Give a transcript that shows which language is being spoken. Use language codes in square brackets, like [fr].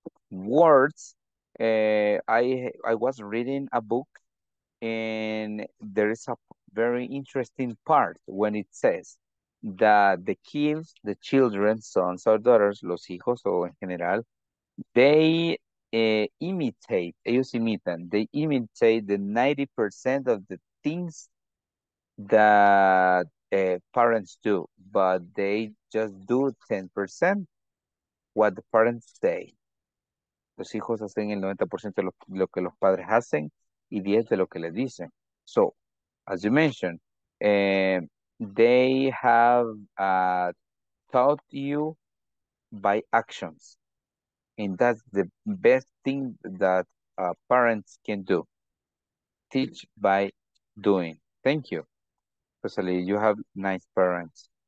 [en] Words, I was reading a book, and there is a very interesting part when it says that the kids, the children, sons or daughters, [es] los hijos o en general, [en] they imitate, [es] ellos imitan, [en] they imitate the 90% of the things that parents do, but they just do 10% what the parents say. [es] Los hijos hacen el 90% de lo que los padres hacen y 10 de lo que les dicen. [en] So, as you mentioned, they have taught you by actions. And that's the best thing that parents can do. Teach by doing. Thank you. Rosalie, you have nice parents.